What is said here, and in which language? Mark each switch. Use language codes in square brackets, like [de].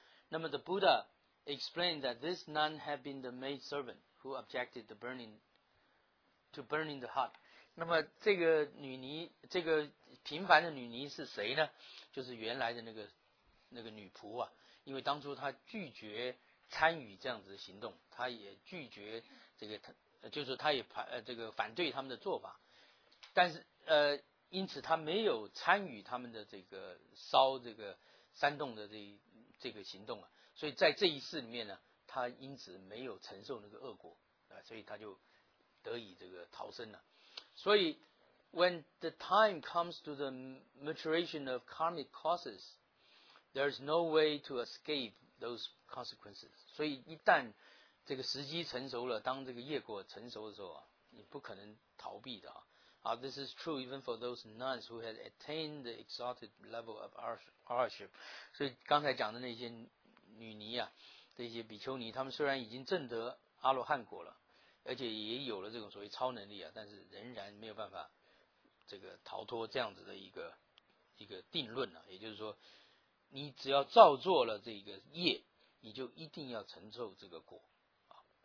[zh] 那么 [en] the Buddha explained that this nun had been the maid servant who objected to burning the hut。 [zh] 那么这个女尼，这个平凡的女尼是谁呢？就是原来的那个女仆啊，因为当初她拒绝参与这样子的行动，她也拒绝这个，就是她也反对他们的做法，但是因此她没有参与他们的这个烧这个山洞的这个行动啊，所以在这一世里面呢，她因此没有承受那个恶果啊，所以她就得以这个逃生了。所以 [en] when the time comes to the maturation of karmic causes, there's no way to escape those consequences. [zh] 所以一旦这个时机成熟了，当这个业果成熟的时候啊，你不可能逃避的啊。 [en] This is true even for those nuns who had attained the exalted level of arhatship. [zh] 所以刚才讲的那些女尼啊，这些比丘尼，他们虽然已经证得阿罗汉果了，而且也有了这种所谓超能力啊，但是仍然没有办法这个逃脱这样子的一个定论啊，也就是说你只要造作了这个业，你就一定要承受这个果啊。